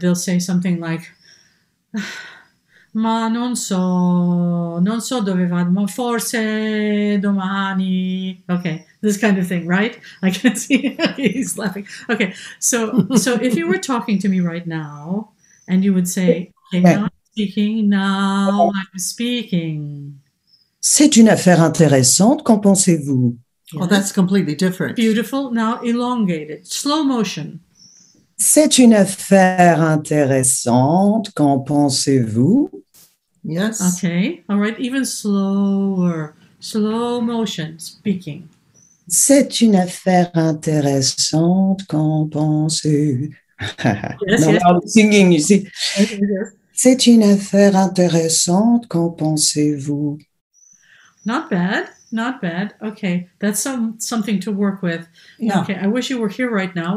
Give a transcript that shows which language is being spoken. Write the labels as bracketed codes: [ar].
[en] They'll say something like, [it] ma non so dove vado, ma forse domani. [en] Okay, this kind of thing, right? I can see he's laughing. Okay, so if you were talking to me right now, And you would say, okay, now I'm speaking, now I'm speaking. [fr] C'est une affaire intéressante, qu'en pensez-vous? [en] Yes. Well, that's completely different. Beautiful, now elongated, slow motion. [fr] C'est une affaire intéressante, qu'en pensez-vous? [en] Yes. Okay, all right, even slower, slow motion, speaking. [fr] C'est une affaire intéressante, qu'en pensez-vous? [en] Yes, no, yes. I'm singing, you see. [fr] C'est une affaire intéressante, qu'en pensez-vous? [en] Not bad, not bad. Okay, that's something to work with. Yeah. Okay, I wish you were here right now.